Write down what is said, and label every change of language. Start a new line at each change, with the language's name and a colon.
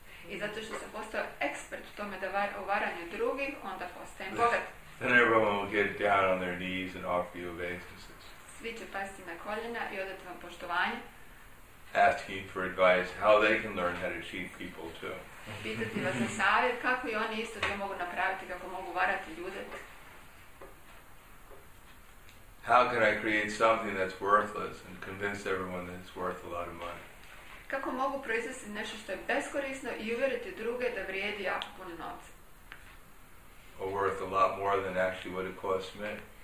Croatian: I zato što sam postao ekspert u tome da u varanju drugih, onda postajem bogat.
English: Then everyone will get down on their knees and offer you obeisances.
Croatian: Svi će pasti na koljena i odati vam poštovanje.
English: Asking for advice how they can learn how to cheat people too.
Croatian: Pitati vas na savjet kako i oni isto to mogu napraviti, kako mogu varati ljude.
English: How can I create something that's worthless and convince everyone that it's worth a lot of money?
Croatian: kako mogu proizvesti nešto što je beskorisno i uveriti druge da vrijedi jako puno novca.
English: Or worth a lot more than actually what it costs me.